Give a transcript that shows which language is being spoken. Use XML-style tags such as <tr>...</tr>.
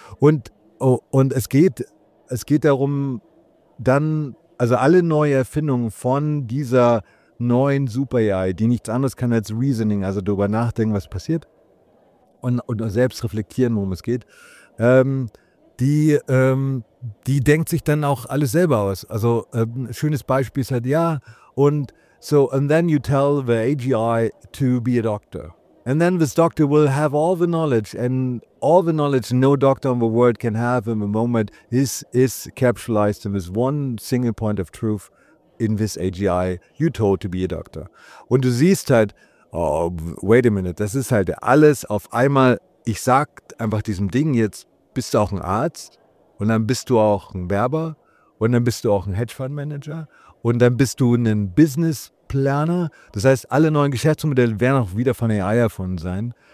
<de>Und es geht darum, dann, also alle neue Erfindungen von dieser neuen Super-AI, die nichts anderes kann als Reasoning, also darüber nachdenken, was passiert und selbst reflektieren, worum es geht, die denkt sich dann auch alles selber aus. Also ein schönes Beispiel ist halt, ja, und so,</de> <en>and then you tell the AGI to be a doctor. And then this doctor will have all the knowledge and all the knowledge no doctor in the world can have in the moment is capitalized in this one single point of truth in this AGI you told to be a doctor.</en> <de>Und du siehst halt,</de> <en>oh, wait a minute,</en> <de>das ist halt alles auf einmal, ich sag einfach diesem Ding jetzt, bist du auch ein Arzt und dann bist du auch ein Werber und dann bist du auch ein Hedgefundmanager und dann bist du ein Business Planer. Das heißt, alle neuen Geschäftsmodelle werden auch wieder von AI erfunden sein.</de>